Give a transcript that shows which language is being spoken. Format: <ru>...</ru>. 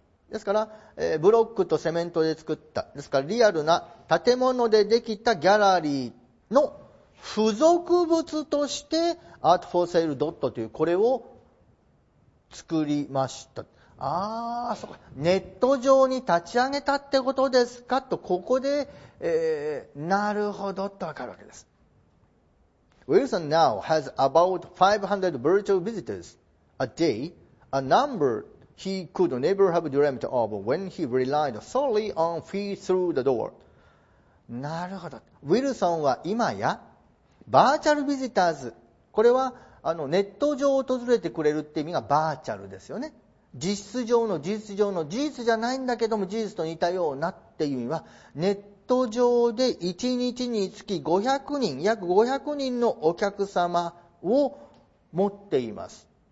<ja>ですから、ブロックとセメントで作った、ですからリアルな建物でできたギャラリーの付属物としてアートフォーセールドットというこれを作りました。ああ、そうか。ネット上に立ち上げたってことですかと、ここで、なるほどとわかるわけです。</ja> <en>Wilson now has about 500 virtual visitors a day, a number he could never have dreamt of when he relied solely on fee through the door.</en> <ja>なるほど。 Wilson は今やバーチャルビジターズ、これはネット上を訪れてくれるって意味がバーチャルですよね。実質上の、事実上の、事実じゃないんだけども事実と似たようなっていう意味は、ネット上で1日につき500人、約500人のお客様を持っています。</ja>